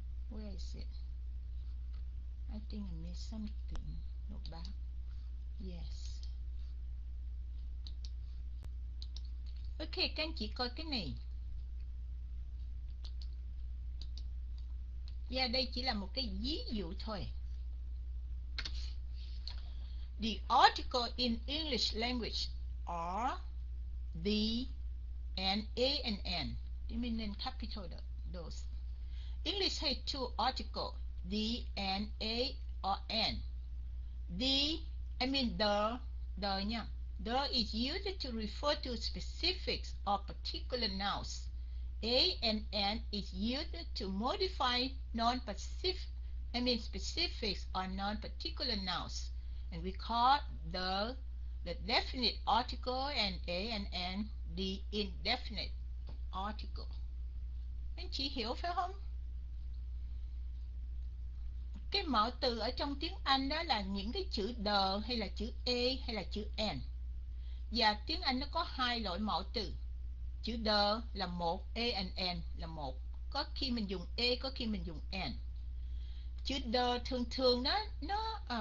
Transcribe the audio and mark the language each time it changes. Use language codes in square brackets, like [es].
[en] Where is it? I think I missed something. Look back. Yes. [vi] Okay, các anh chị coi cái này. Yeah, đây chỉ là một cái ví dụ thôi. [en] The article in English language are the and a and n. You mean in capital those. English has two articles, the and a or n. The nha. The is used to refer to specifics or particular nouns. A and N is used to modify specifics or non-particular nouns, and we call the definite article and A and N the indefinite article. [vi] Anh chị hiểu phải không? Cái mạo từ ở trong tiếng Anh đó là những cái chữ the hay là chữ A hay là chữ N. Và tiếng Anh nó có hai loại mạo từ. Chữ the là một, a and n là một. Có khi mình dùng a, có khi mình dùng n. Chữ the thường thường đó, nó